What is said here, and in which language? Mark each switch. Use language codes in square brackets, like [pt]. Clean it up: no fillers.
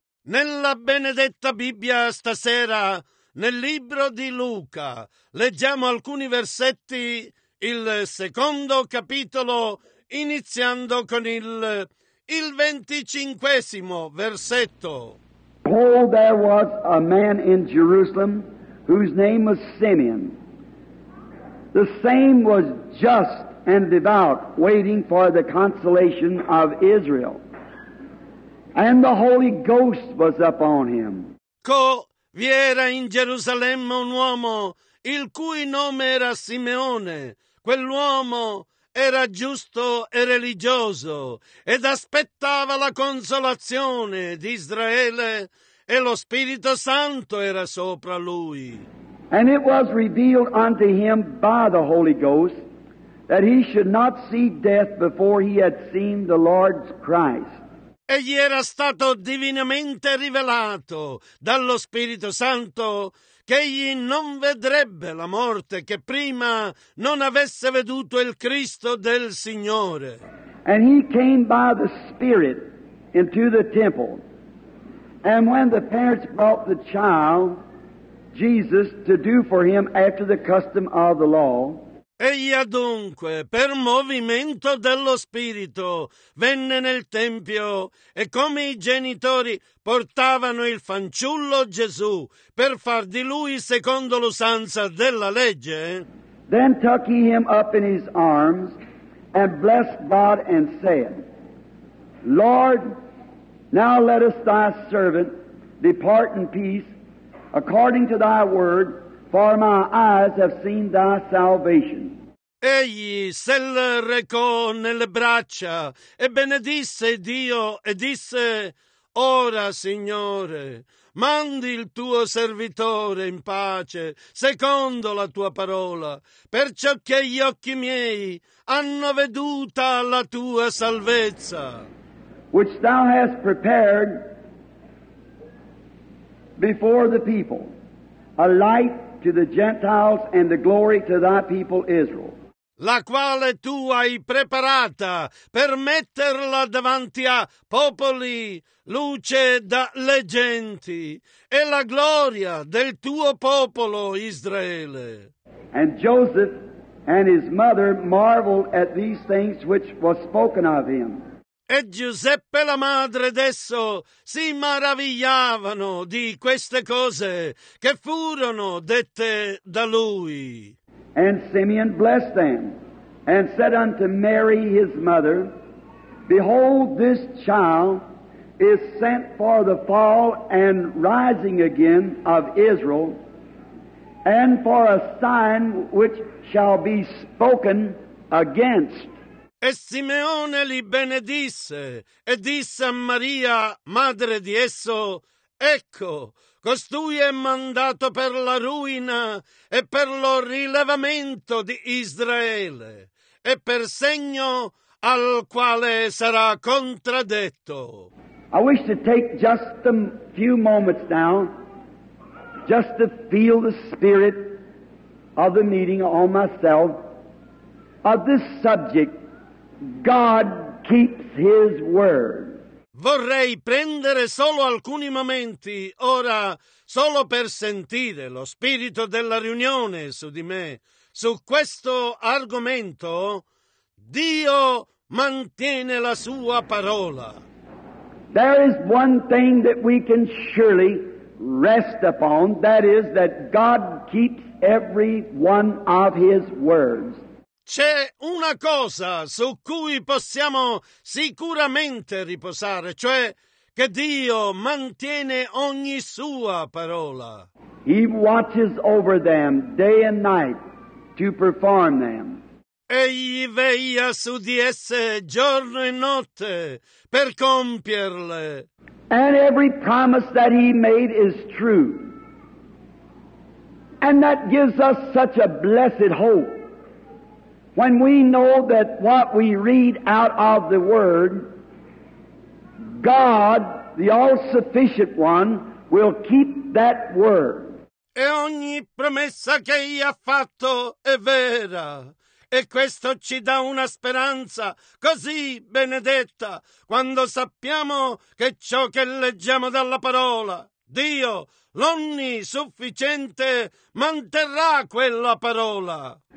[it] Nella benedetta Bibbia stasera, nel libro di Luca, leggiamo alcuni versetti, il secondo capitolo, iniziando con il 25esimo versetto. [en] Behold, there was a man in Jerusalem whose name was Simeon. The same was just and devout, waiting for the consolation of Israel. And the Holy Ghost was upon him. [it] Co vi era in Gerusalemme un uomo il cui nome era Simeone. Quell'uomo era giusto e religioso ed aspettava la consolazione di Israele e lo Spirito Santo era sopra lui. [en] And it was revealed unto him by the Holy Ghost that he should not see death before he had seen the Lord's Christ. [it] E gli era stato divinamente rivelato dallo Spirito Santo che egli non vedrebbe la morte che prima non avesse veduto il Cristo del Signore. [en] And he came by the Spirit into the temple. And when the parents brought the child Jesus to do for him after the custom of the law. [it] Egli adunque, per movimento dello Spirito, venne nel Tempio e come i genitori portavano il fanciullo Gesù per far di lui secondo l'usanza della legge. [en] Then took he him up in his arms and blessed God and said, Lord, now lettest thy servant depart in peace according to thy word, for my eyes have seen thy salvation. [it] Egli se le recò nelle braccia e benedisse Dio e disse, Ora, Signore, mandi il tuo servitore in pace, secondo la tua parola, perciò che gli occhi miei hanno veduta la tua salvezza. [en] Which thou hast prepared before the people, a light to the Gentiles and the glory to thy people Israel. [it] La quale tu hai preparata per metterla davanti a popoli, luce dalle genti, e la gloria del tuo popolo Israele. [en] And Joseph and his mother marveled at these things which was spoken of him. [it] E Giuseppe, la madre d'esso, si meravigliavano di queste cose che furono dette da lui. [en] And Simeon blessed them, and said unto Mary his mother, Behold, this child is sent for the fall and rising again of Israel, and for a sign which shall be spoken against. [it] E Simeone li benedisse, e disse a Maria, madre di esso, Ecco, costui è mandato per la ruina e per lo rilevamento di Israele, e per segno al quale sarà contraddetto. [en] I wish to take just a few moments now, just to feel the spirit of the meeting on myself, of this subject. God keeps his word. [it] Vorrei prendere solo alcuni momenti ora solo per sentire lo spirito della riunione su di me su questo argomento. Dio mantiene la sua parola. [en] There is one thing that we can surely rest upon, that is that God keeps every one of his words. [it] C'è una cosa su cui possiamo sicuramente riposare, cioè che Dio mantiene ogni sua parola. [en] He watches over them day and night to perform them. [it] Egli veglia su di esse giorno e notte per compierle. [en] And every promise that he made is true. And that gives us such a blessed hope when we know that what we read out of the Word, God, the All-Sufficient One, will keep that Word. [it] E ogni promessa che egli ha fatto è vera. E questo ci dà una speranza così benedetta quando sappiamo che ciò che leggiamo dalla parola, Dio, l'Onnisufficiente, manterrà quella parola.